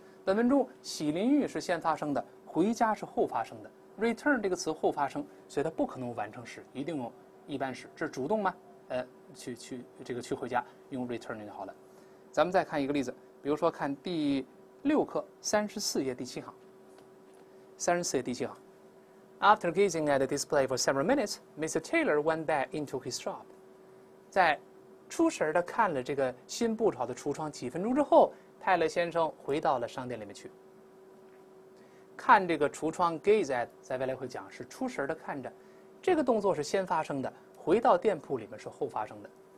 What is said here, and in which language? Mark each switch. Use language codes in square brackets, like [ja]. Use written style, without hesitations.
[zh] 本文中洗淋浴是先发生的，回家是后发生的， return 这个词后发生，所以它不可能完成时，一定用一般时，这是主动吗？去回家用 return 就好了。咱们再看一个例子，比如说看第六课34页第七行。 34页第七行。 [en] After gazing at the display for several minutes, Mr. Taylor went back into his shop. [zh] 在出神的看了这个新布好的橱窗几分钟之后，泰勒先生回到了商店里面去。看这个橱窗 gaze at， 在未来会讲是出神的看着，这个动作是先发生的，回到店铺里面是后发生的。